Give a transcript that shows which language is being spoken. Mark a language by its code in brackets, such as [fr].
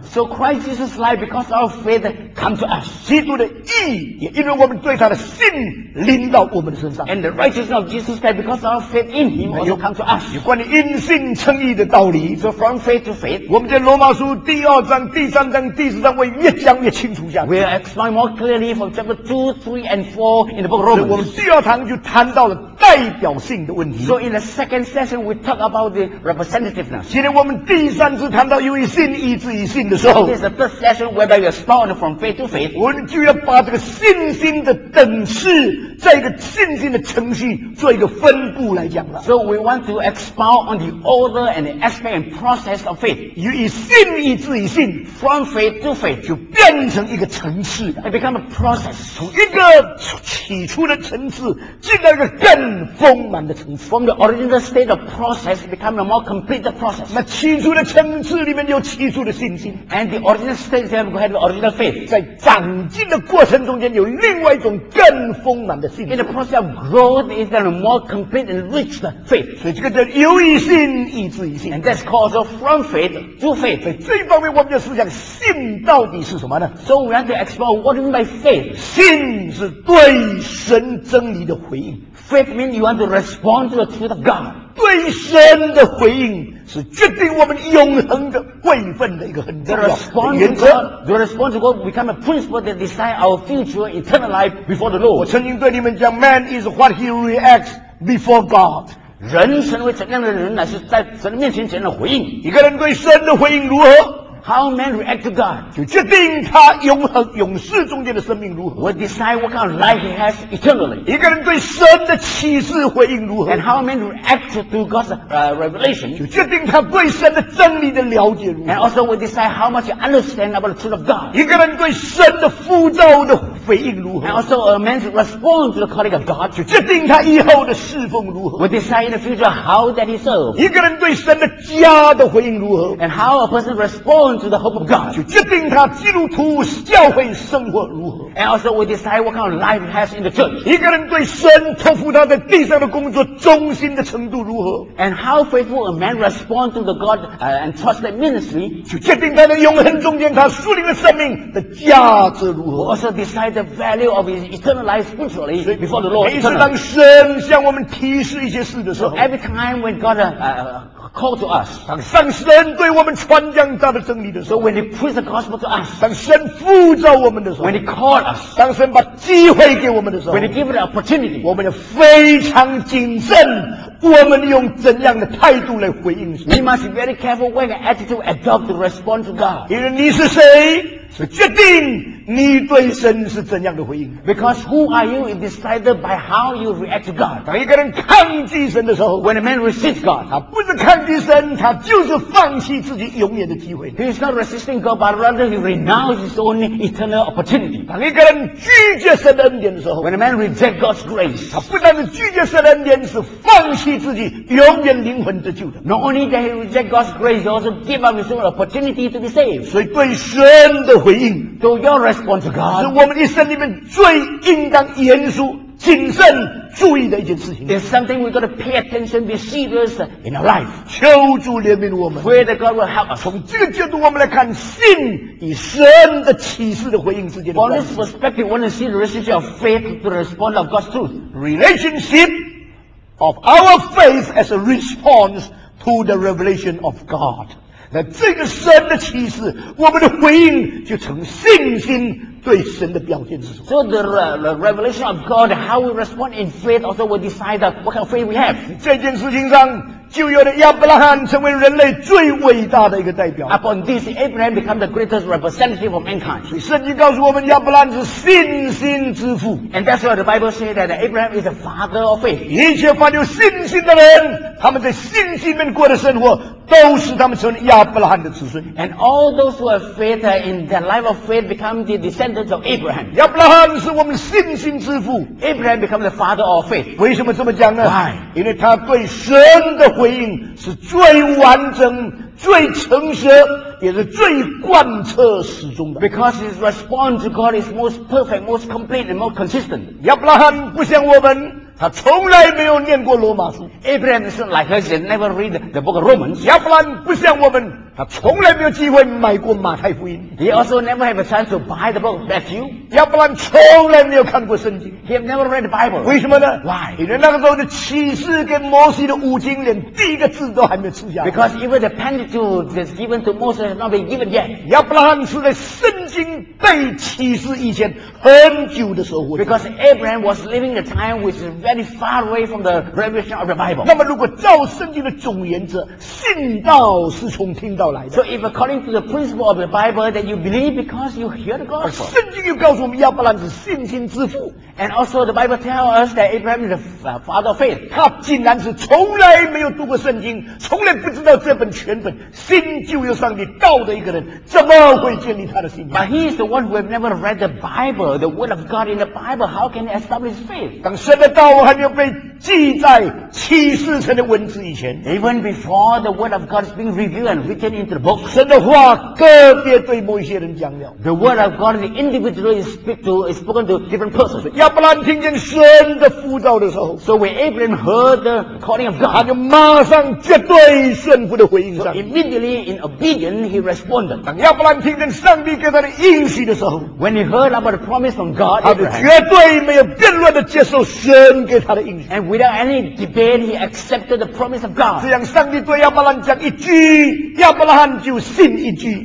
[en] So Christ Jesus' life because our faith comes to us. [zh] 基督的义也因为我们对他的信临到我们的身上 [en] And the righteousness of Jesus Christ because our faith in Him also comes to us. [zh] 有关于因信称义的道理 So from faith to faith 我们在罗马书第二章第三章第四章会越讲越清楚 [en] We'll explain more clearly from chapter 2, 3 and 4 in the book of Romans [zh] 我们第二堂就谈到了代表性的问题 [en] So in the second session we talk about the representativeness [zh] 今天我们第三次谈到由于信义之于信的时候 [en] This is the first session whereby we are starting from faith to faith [zh] 我们就要把这个信心的等式在一个信心的程序做一个分布来讲了 [en] So we want to expound on the order and the aspect and process of faith [zh] 由于信义之于信 [en] From faith to faith [zh] 就变成一个层次 [en] It becomes a process [zh] 从一个起初的层次进到一个更丰满的层次 [en] From the original state of process it becomes a more complete process [zh] 那起初的层次里面有起初的信心 [en] And the original state have had the original faith [zh] 在长进的过程中间有另外一种更丰满的信心 [en] In the process of growth is a more complete and rich faith [zh] 所以这个叫由于信义之于信 [en] And that's called from faith to faith [zh] 所以这一方面我们的思想信到底是什么呢 [en] So we want to explore what is my faith. [zh] 信是对神真理的回应。 [en] Faith means you want to respond to the truth of God. [zh] 对神的回应是决定我们永恒的位分的一个很重要的原则。 [en] The response to God becomes a principle that decides our future eternal life before the Lord. [zh] 我曾经对你们讲 [en] man is what he reacts before God. [zh] 人成为怎样的人乃是在神面前怎样的回应。一个人对神的回应如何 [en] How men react to God [zh] 就决定他永恒永世中间的生命如何 [en] Will decide what kind of life he has eternally [zh] 一个人对神的启示回应如何 [en] And how men react to God's revelation [zh] 就决定他对神的真理的了解如何 [en] And also will decide how much you understand about the truth of God [zh] 一个人对神的呼召的回应如何 [en] And also a man's response to the calling of God [zh] 就决定他以后的侍奉如何 [en] Will decide in the future how that he serves [zh] 一个人对神的家的回应如何 [en] And how a person responds want the hope of God. [zh] 就决定他基督徒教会生活如何。 [en] And also we decide what kind of life has in the church. [zh] 一个人对神托付他在地上的工作忠心的程度如何。 [en] And how faithful a man respond to the God and trust the ministry. [zh] 就决定他的永恒中间他属灵的生命的价值如何。 [en] We also decide the value of his eternal life spiritually before the Lord. [zh] 每次当神向我们提示一些事的时候。 [en] Every time when God call to us. [zh] 当上神对我们传讲他的真理的时候。 [en] So when he preached the gospel to us. [zh] 当神呼召我们的时候。 [en] When he called us. [zh] 当神把机会给我们的时候。 [en] When he gave the opportunity. [zh] 我们要非常谨慎我们用怎样的态度来回应神。 [en] We must be very careful when the attitude adopt to respond to God. [zh] 因为你是谁是决定你对神是怎样的回应。 [en] Because who are you is decided by how you react to God. [zh] 当一个人抗拒神的时候。 [en] When a man resists God. [zh] 他不是抗拒神他就是放弃自己永远的机会。 [en] He is not resisting God, but rather he renounces his own eternal opportunity. [zh] 当一个人拒绝神的恩典的时候。 [en] When a man rejects God's grace. [zh] 他不但是拒绝神的恩典是放弃自己永远灵魂得救的。 [en] Not only that he rejects God's grace, he also gives up his own opportunity to be saved. [zh] 所以对神的回应。 [en] So your response to God. [zh] 是我们一生里面最应当严肃谨慎注意的一件事情。 [en] There's something we got to pay attention, be serious in our life. [zh] 求主怜悯我们。 [en] Pray that God will help us. [zh] 从这个角度我们来看信与神的启示的回应之间的关系。 [en] From this perspective, we want to see the relationship of faith to the response of God's truth. Relationship of our faith as a response to the revelation of God. [zh] 那这个神的启示，我们的回应就成信心对神的表现之 [en] 处。So the revelation of God, how we respond in faith, also will decide what kind of faith we have. [zh] 这件事情上，旧约的亚伯拉罕成为人类最伟大的一个代表。 [en] Upon this, Abraham became the greatest representative of mankind. [zh] 所以圣经告诉我们，亚伯拉罕是信心之父。 [en] And that's why the Bible says that Abraham is the father of faith. [zh] 一切凡有信心的人，他们在信心里面过的生活。都是他们成亚伯拉罕的子孙。 [en] And all those who have faith in the life of faith become the descendants of Abraham. [zh] 亚伯拉罕是我们信心之父。 [en] Abraham becomes the father of faith. [zh] 为什么这么讲呢 [en] ？Why? [zh] 因为他对神的回应是最完整、最诚实，也是最贯彻始终的。 [en] Because his response to God is most perfect, most complete, and most consistent. [zh] 亚伯拉罕不像我们。他从来没有念过罗马书。 [en] Abraham is like us, he never read the book of Romans. [zh] 亚伯兰不像我们，他从来没有机会买过马太福音。 [en] He also never have a chance to buy the book of Matthew. [zh] 亚伯兰从来没有看过圣经。 [en] He have never read the Bible. [zh] 为什么呢 [en] ？Why? [zh] 因为那个时候的启示跟摩西的五经连第一个字都还没有出现。 [en] Because even the Pentateuch that's given to Moses has not been given yet. [zh] 亚伯兰是在圣经被启示以前很久的时候。 [en] Because Abraham was living a time which is very far away from the revelation of the Bible. [zh] 那么如果照圣经的总原则，信道是从听到来的。 [en] So if according to the principle of the Bible, then you believe because you hear the gospel. [zh] 圣经又告诉我们亚伯兰是信心之父。 [en] And also the Bible tells us that Abraham is the father of faith. [zh] 他竟然是从来没有读过圣经，从来不知道这本全本新旧约上帝道的一个人，怎么会建立他的信仰？ [en] But he is the one who have never read the Bible, the word of God in the Bible. How can he establish faith? [zh] 当神的道还没有被记载启示成的文字以前， [en] even before the word of God is being revealed and written into the book, [zh] 神的话个别对某些人讲了。 [en] The word of God is individually spoken to different persons. [zh] 亚伯兰听见神的呼召的时候 [en] ，So when Abraham heard the calling of God， [zh] 他就马上绝对顺服的回应上。 [en] So immediately in obedience he responded。 [zh] 当亚伯兰听见上帝给他的应许的时候 [en] ，When he heard about the promise from God， [zh] 他就绝对没有辩论的接受神给他的应许。 [en] And without any debate he accepted the promise of God。 [zh] 这样上帝对亚伯兰讲一句，亚伯兰就信一句。